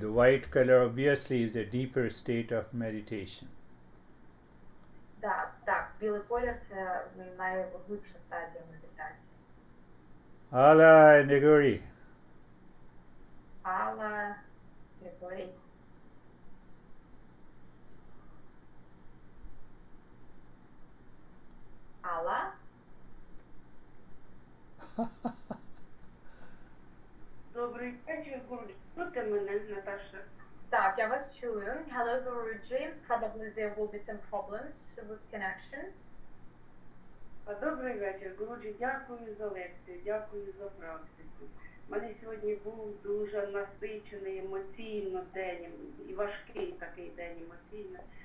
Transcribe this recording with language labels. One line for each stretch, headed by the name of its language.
English: The white color obviously is a deeper state of meditation.
Ukrainian: Так, білий колір – це найглибша стадія медитації. Алла, Григорій. Алла, Григорій. Алла? Добрий вечір, Гуруджі. Чути мене, Наташа? Так, я вас чую.
English: Hello,
Ukrainian: Гуруджі.
English: Probably there will be some problems with connection.
Ukrainian: Добрий вечір, Гуруджі. Дякую за лекцію, дякую за практику. У мене сьогодні був дуже насичений емоційно день, і важкий такий день емоційно.